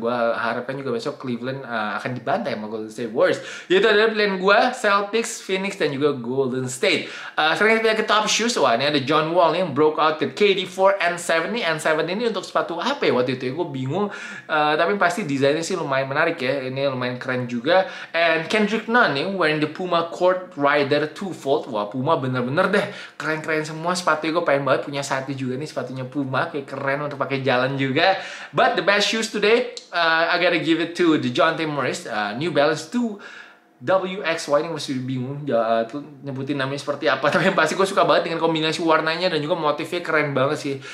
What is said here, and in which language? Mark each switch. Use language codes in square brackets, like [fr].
[id] Gue harapkan juga besok Cleveland akan dibantai sama Golden State Warriors. Itu adalah pilihan gue, Celtics, Phoenix, dan juga Golden State. Sekarang kita pilih ke Top Shoes. Wah, ini ada John Wall nih, yang broke out ke KD4 N7 nih. N7 ini untuk sepatu apa ya waktu itu ya? Gue bingung. Tapi pasti desainnya sih lumayan menarik ya. Ini lumayan keren juga. [en] And Kendrick Nunn nih, wearing the Puma Court Rider 2-Fold. [id] Wah, Puma bener-bener deh. Keren-keren semua sepatunya. Gue pengen banget punya satu juga nih sepatu punya Puma, kayak keren untuk pakai jalan juga. [en] But the best shoes today, I gotta give it to DeJounte Murray, New Balance 2WXY. [id] Ini masih bingung nyebutin namanya seperti apa, tapi yang pasti gue suka banget dengan kombinasi warnanya dan juga motifnya keren banget sih.